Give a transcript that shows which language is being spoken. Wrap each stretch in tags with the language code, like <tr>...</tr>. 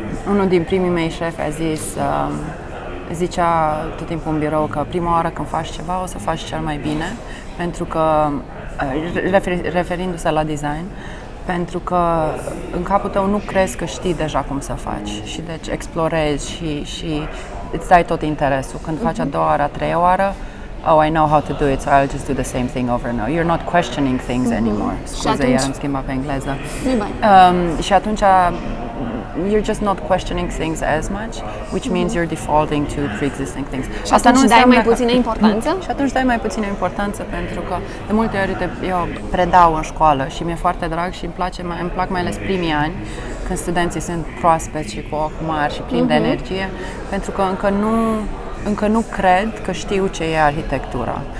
<ro>Unul din primii mei șefi a zis, zicea tot timpul în birou că prima oară când faci ceva o să faci cel mai bine, pentru că referindu-se la design, pentru că în capul tău nu crezi că știi deja cum să faci și deci explorezi și îți dai tot interesul. Când faci a doua oară, a treia oară,</ro> <en>oh, I know how to do it, so I'll just do the same thing over and over. You're not questioning things anymore.</en> <ro>Scuze, iar îmi schimba pe engleză. Și atunci,</ro> <en>you're just not questioning things as much, which means you're defaulting to pre-existing things.</en> <ro>Și asta atunci nu dai mai puțină importanță? Și atunci dai mai puțină importanță, pentru că de multe ori eu predau în școală și mi-e foarte drag și îmi plac mai ales primii ani, când studenții sunt proaspeți și cu ochi mari și plini de energie, pentru că încă nu cred că știu ce e arhitectura.</ro>